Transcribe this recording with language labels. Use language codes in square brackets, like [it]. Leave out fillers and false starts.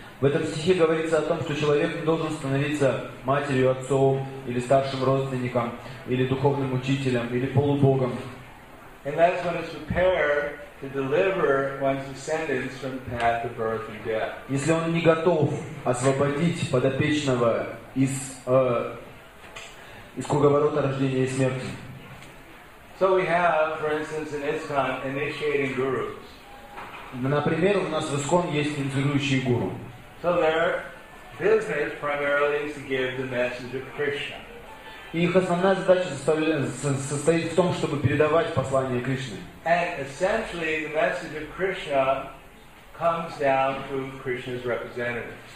[ru] В этом стихе говорится о том, что человек должен становиться матерью, отцом, или старшим родственником, или духовным учителем, или полубогом. [en] And that's when it's prepared to deliver one's descendants from the path of birth and death. [ru] Если он не готов освободить подопечного из из круговорота рождения и смерти. [en] So we have, for instance, in ISKCON, initiating gurus. [ru] Например, у нас в ISKCON есть инициирующие гуру. [en] So their business primarily is to give the message of Krishna. [ru] И их основная задача состоит в том, чтобы передавать послание Кришны. [en] And essentially, the message of Krishna comes down through Krishna's representatives.